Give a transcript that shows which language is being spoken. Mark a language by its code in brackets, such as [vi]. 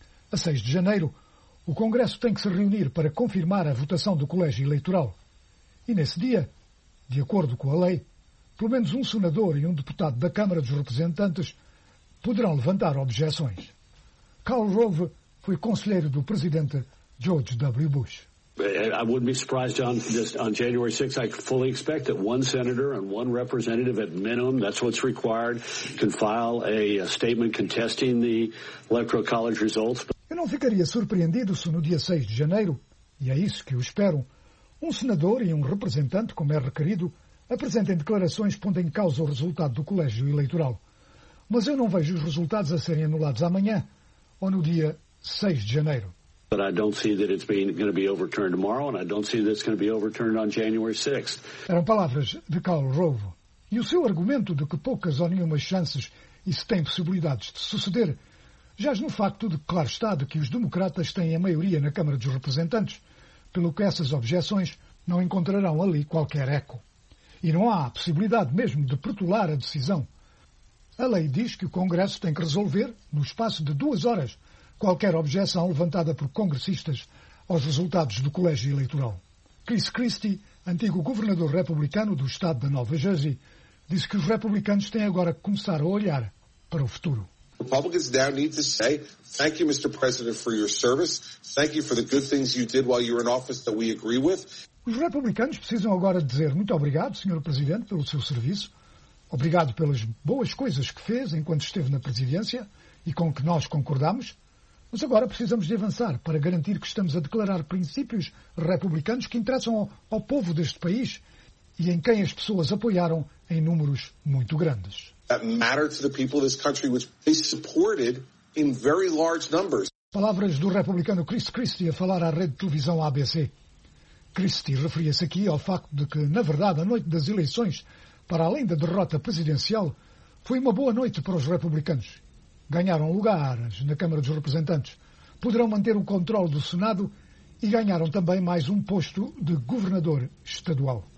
[pt] A 6 de janeiro, o Congresso tem que se reunir para confirmar a votação do Colégio Eleitoral. E nesse dia, de acordo com a lei, pelo menos um senador e um deputado da Câmara dos Representantes poderão levantar objeções. Karl Rove foi conselheiro do presidente George W. Bush. [en] I wouldn't be surprised, John, just on January 6th, I fully expect that one senator and one representative at minimum, that's what's required, can file a statement contesting the Electoral College results. [pt] Eu não ficaria surpreendido se no dia 6 de janeiro, e é isso que eu espero, um senador e um representante, como é requerido, apresentem declarações pondo em causa o resultado do colégio eleitoral. Mas eu não vejo os resultados a serem anulados amanhã ou no dia 6 de janeiro. [en] But I don't see that it's going to be overturned tomorrow and I don't see that it's going to be overturned on January 6th. [pt] Eram palavras de Karl Rove. E o seu argumento de que poucas ou nenhumas chances isso tem possibilidades de suceder jaz no facto de que claro está de que os democratas têm a maioria na Câmara dos Representantes, pelo que essas objeções não encontrarão ali qualquer eco. E não há possibilidade mesmo de protelar a decisão. A lei diz que o Congresso tem que resolver, no espaço de 2 horas, qualquer objeção levantada por congressistas aos resultados do colégio eleitoral. Chris Christie, antigo governador republicano do estado da Nova Jersey, disse que os republicanos têm agora que começar a olhar para o futuro. [en] Republicans now need to say thank you, Mr. President, for your service. Thank you for the good things you did while you were in office that we agree with. [pt] Os republicanos precisam agora dizer muito obrigado, Sr. Presidente, pelo seu serviço. Obrigado pelas boas coisas que fez enquanto esteve na presidência e com que nós concordamos. Mas agora precisamos de avançar para garantir que estamos a declarar princípios republicanos que interessam ao povo deste país e em quem as pessoas apoiaram em números muito grandes. [en] That matter to the people of this country, which they supported in very large numbers. [pt] Palavras do republicano Chris Christie a falar à rede de televisão ABC. Christie referia-se aqui ao facto de que, na verdade, a noite das eleições, para além da derrota presidencial, foi uma boa noite para os republicanos. Ganharam lugares na Câmara dos Representantes, poderão manter o controle do Senado e ganharam também mais um posto de governador estadual.